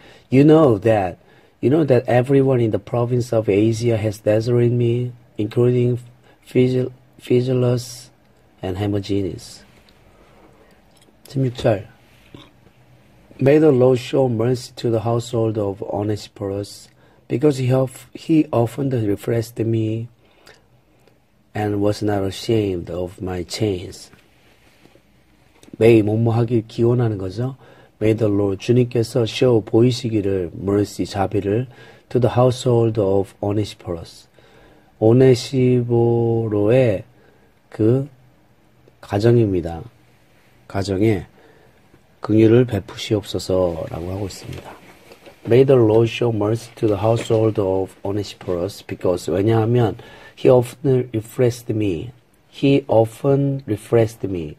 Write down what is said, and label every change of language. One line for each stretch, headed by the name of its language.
English: You know that everyone in the province of Asia has deserted me, including Phygellus and Hermogenes.
Korean: 16절.
English: May the Lord show mercy to the household of Onesiphorus. Because he often refreshed me and was not ashamed of my chains.
Korean: 매일 뭐뭐하길 기원하는 거죠.
English: May the Lord,
Korean: 주님께서
English: show
Korean: 보이시기를
English: mercy,
Korean: 자비를
English: to the household of Onesiphorus.
Korean: 오네시보로의 그 가정입니다. 가정에 긍휼을 베푸시옵소서라고 하고 있습니다.
English: May the Lord show mercy to the household of Onesiphorus, because
Korean: 왜냐하면
English: he often refreshed me.